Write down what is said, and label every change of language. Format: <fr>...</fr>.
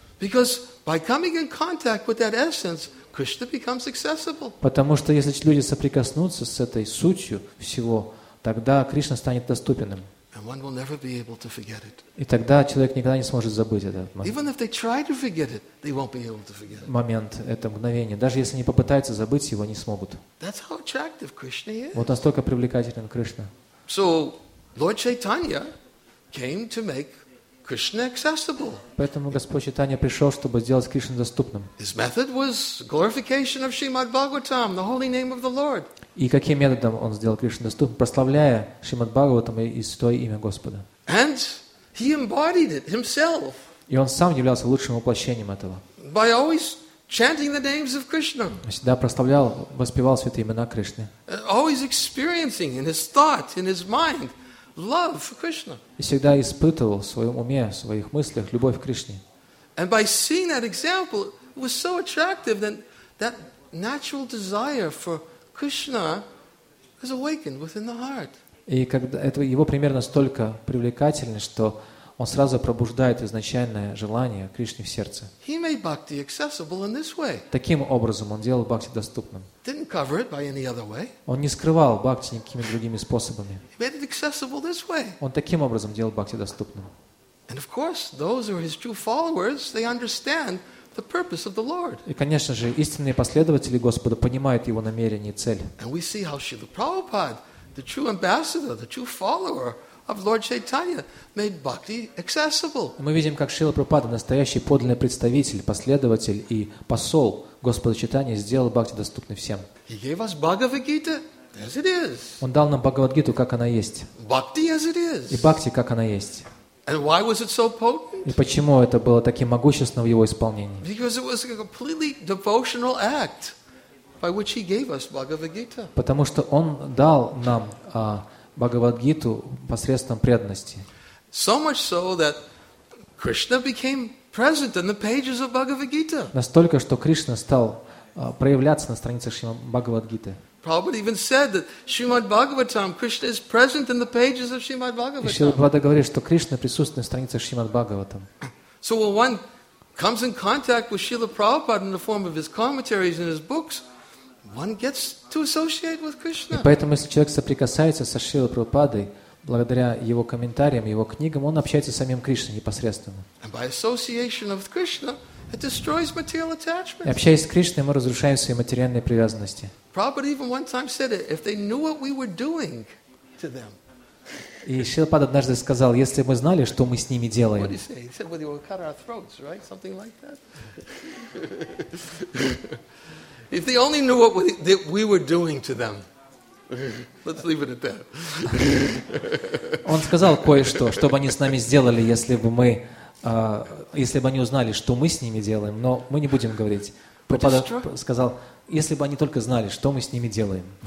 <en>Because by coming in contact with that essence, Krishna becomes accessible.</en> <ru>Потому что если люди соприкоснутся с этой сутью всего, тогда Кришна станет доступным.</ru> <en>And one will never be able to forget it.</en> <ru>И тогда человек никогда не сможет забыть этот момент.</ru> <en>Even if they try to forget it, they won't be able to forget it.</en> <ru>Момент, это мгновение. Даже если они попытаются забыть его, не смогут.</ru> <en>That's how attractive Krishna is.</en> <ru>Вот настолько привлекателен Кришна.</ru> <en>So, Lord Chaitanya came to make Krishna accessible.</en> <ru>Поэтому Господь Чайтанья пришел, чтобы сделать Кришну доступным.</ru> <en>His method was glorification of Shrimad Bhagavatam, the holy name of the Lord.</en> <ru>И каким методом он сделал Кришну доступным, прославляя Шримад Бхагаватам и Святое имя Господа.</ru> <en>And he embodied it himself.</en> <ru>И он сам являлся лучшим воплощением этого.</ru> <en>By always chanting the names of Krishna.</en> <ru>Всегда прославлял, воспевал святые имена Кришны.</ru> <en>Always experiencing in his thought, in his mind, love for Krishna.</en> <ru>И всегда испытывал в своем уме, в своих мыслях любовь к Кришне.</ru> <en>And by seeing that example, it was so attractive that that natural desire for Krishna is awakened within the heart.</en> <ru>И когда это его пример настолько привлекательный, что он сразу пробуждает изначальное желание Кришны в сердце.</ru> <en>He made bhakti accessible in this way.</en> <ru>Таким образом он делал бхакти доступным.</ru> <en>Didn't cover it by any other way.</en> <ru>Он не скрывал бхакти никакими другими способами.</ru> <en>He made it accessible this way.</en> <ru>Он таким образом делал бхакти доступным.</ru> <en>And of course, those who are his true followers, they understand the purpose of the Lord.</en> <ru>И, конечно же, истинные последователи Господа понимают его намерение и цель.</ru> <en>And we see how Srila Prabhupada, the true ambassador, the true follower of Lord Chaitanya, made bhakti accessible.</en> <ru>Мы видим, как Шрила Прабхупада, настоящий подлинный представитель, последователь и посол Господа Чайтаньи, сделал бхакти доступной всем.</ru> <en>He gave us Bhagavad Gita as it is.</en> <ru>Он дал нам Бхагавадгиту, как она есть.</ru> <en>Bhakti as it is.</en> <ru>И бхакти, как она есть.</ru> <en>And why was it so potent?</en> <ru>И почему это было таким могущественным в его исполнении?</ru> <en>Because it was a completely devotional act by which he gave us Bhagavad Gita.</en> <ru>Потому что он дал нам Бхагавадгиту посредством преданности.</ru> <en>So much so that Krishna became present in the pages of Bhagavad Gita.</en> <ru>Настолько, что Кришна стал проявляться на страницах Шримад Бхагавадгиты.</ru> <en>Prabhupada even said that Shrimad Bhagavatam, Krishna is present in the pages of Shrimad Bhagavatam.</en> <ru>Шрила Прабхупада говорит, что Кришна присутствует на страницах Шримад Бхагаватам.</ru> <en>So when one comes in contact with Srila Prabhupada in the form of his commentaries and his books, one gets to associate with Krishna.</en> <ru>И поэтому, если человек соприкасается со Шрила Прабхупадой, благодаря его комментариям, его книгам, он общается с самим Кришной непосредственно.</ru> <en>And by association with Krishna, it destroys material attachments.</en> <ru>И общаясь с Кришной, мы разрушаем свои материальные привязанности.</ru> <en>Prabhupada even one time said it, if they knew what we were doing to them.</en> <ru>И Шрила Прабхупада однажды сказал, если мы знали, что мы с ними делаем.</ru> <en>What did he say? He said, well, they would cut our throats, right? Something like that. If they only knew what we were doing to them. Let's leave it at that.</en> <ru>Он сказал кое-что, что бы они с нами сделали, если бы они узнали, что мы с ними делаем, но мы не будем говорить. Прабхупада сказал, если бы они только знали, что мы с ними делаем.</ru>